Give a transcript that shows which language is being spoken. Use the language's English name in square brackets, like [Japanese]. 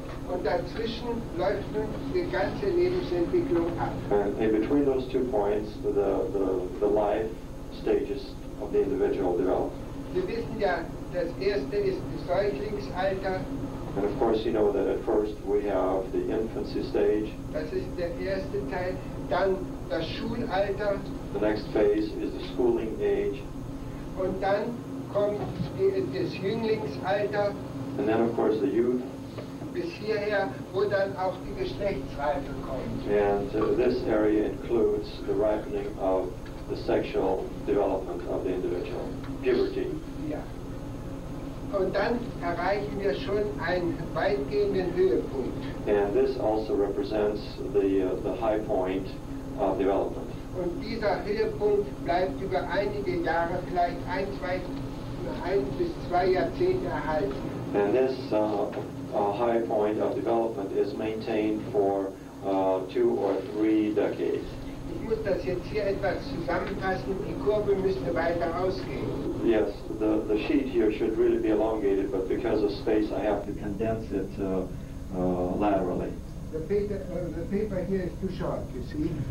[German] Und dazwischen läuft nun die ganze Lebensentwicklung ab. [English] And in between those two points, the life stages of the individual develop. [German] Wir wissen ja, das erste ist das Säuglingsalter. [English] And of course you know that at first we have the infancy stage. [German] Das ist der erste Teil. Dann das Schulalter. [English] The next phase is the schooling age. [German] Und dann kommt das Jünglingsalter. [English] And then of course the youth. [German] Bis hierher, wo dann auch die Geschlechtsreife kommt. [English] And this area includes the ripening of the sexual development of the individual, puberty. Yeah. [German] Und dann erreichen wir schon einen weitgehenden Höhepunkt. [English] And this also represents the high point of development. [German] Und dieser Höhepunkt bleibt über einige Jahre, vielleicht ein bis zwei Jahrzehnte erhalten. [English] And this high point of development is maintained for two or three decades. [German] Ich muss das jetzt hier etwas zusammenfassen, die Kurve müsste weiter ausgehen. [English] Yes, the sheet here should really be elongated, but because of space I have to condense it laterally. The paper here is too short, you see.